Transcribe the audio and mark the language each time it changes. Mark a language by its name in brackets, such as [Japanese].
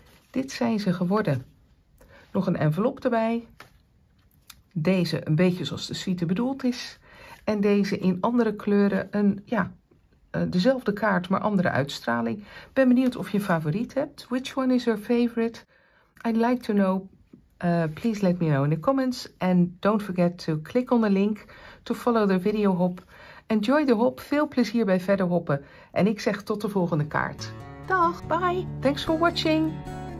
[Dutch] Dit zijn ze geworden. Nog een envelop erbij. Deze een beetje zoals de suite bedoeld is. en deze in andere kleuren een, ja, dezelfde kaart, maar andere uitstraling. Ik ben benieuwd of je een favoriet hebt. [English] Which one is your favorite? I'd like to know. Please let me know in the comments. And don't forget to click on the link to follow the video hop. Enjoy the hop. [Dutch] Veel plezier bij verder hoppen. En ik zeg tot de volgende kaart. Dag, bye. [English] Thanks for watching.